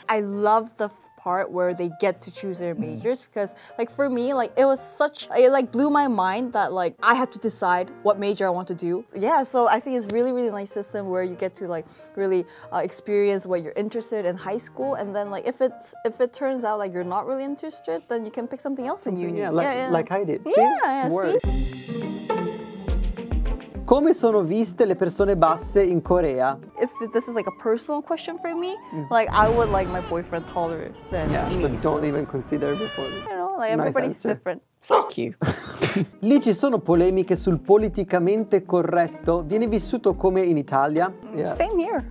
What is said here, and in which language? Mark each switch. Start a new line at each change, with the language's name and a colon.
English: I love the part where they get to choose their majors because like for me like it was such it like blew my mind that like I had to decide what major I want to do. Yeah, so I think it's really really nice system where you get to like really experience what you're interested in high school, and then like if it turns out like you're not really interested, then you can pick something else in uni. Like I did. See?
Italian: Come sono viste le persone basse in Korea?
English: If this is like a personal question for me, like I would like my boyfriend taller than me. Yeah, so don't even consider before. You know, like everybody's nice different. Fuck you.
Italian: Lì ci sono polemiche sul politicamente corretto. Viene vissuto come in Italia?
English: Yeah. Same here.